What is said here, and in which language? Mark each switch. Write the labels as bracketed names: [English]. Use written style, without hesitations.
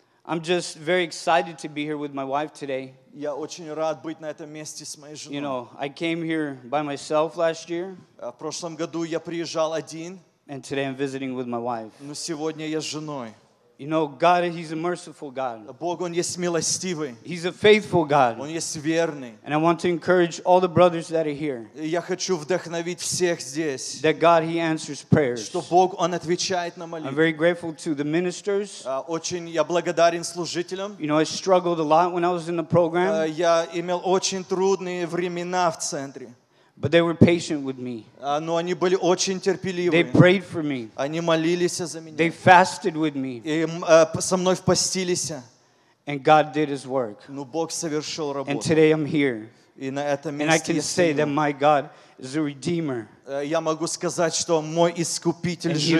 [English] I'm just very excited to be here with my wife today. [Russian] Я очень рад быть на этом месте с моей женой. [English] You know, I came here by myself last year. [Russian] В прошлом году я приезжал один. [English] And today I'm visiting with my wife. [Russian] Но сегодня я с женой. [English] You know, God, He's a merciful God. [Russian] Бог, Он есть милостивый. [English] He's a faithful God. [Russian] Он есть верный. [English] And I want to encourage all the brothers that are here. [Russian] Я хочу вдохновить всех здесь. [English] That God, He answers prayers. [Russian] Что Бог, Он отвечает на молитвы. [English] I'm very grateful to the ministers. [Russian] Очень я благодарен служителям. [English] You know, I struggled a lot when I was in the program. [Russian] Я имел очень трудные времена в центре. [English] But they were patient with me. [Russian] Но они были очень терпеливы. [English] They prayed for me. [Russian] Они молились за меня. [English] They fasted with me. [Russian] И со мной постились. [English] And God did His work. [Russian] Но Бог совершил работу. [English] And today I'm here. [Russian] И на этом месте. [English] And I can say that my God is a redeemer. [Russian] Я могу сказать, что мой искупитель жив.